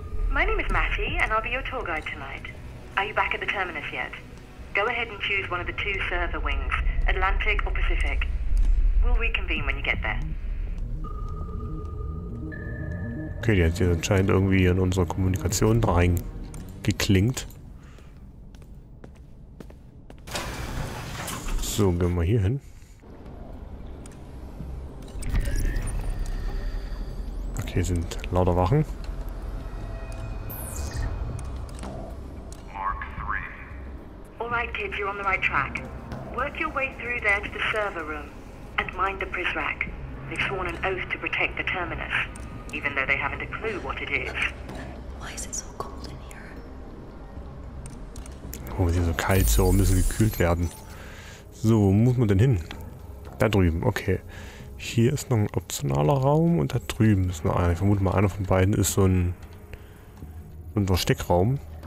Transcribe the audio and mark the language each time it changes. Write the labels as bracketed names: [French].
[English] My name is Mattie, and I'll be your tour guide tonight. Are you back at the terminus yet? Go ahead and choose one of the two server wings, Atlantic or Pacific. We'll reconvene when you get there. [German] Okay, die hat jetzt anscheinend irgendwie in unsere Kommunikation reingeklingt. So, gehen wir hier hin. Okay, hier sind lauter Wachen. Mark 3. [English] Alright, kids, you're on the right track. Work your way through there to the server room. And mind the Prizrak. They've sworn an oath to protect the Terminus. Even though they haven't a clue what it is. Why is it so cold in here? [German] Oh, ist hier so kalt, so müssen gekühlt werden. So, wo muss man denn hin? Da drüben, okay. Hier ist noch ein optionaler Raum und da drüben ist noch einer. Ich vermute mal, einer von beiden ist so ein Versteckraum.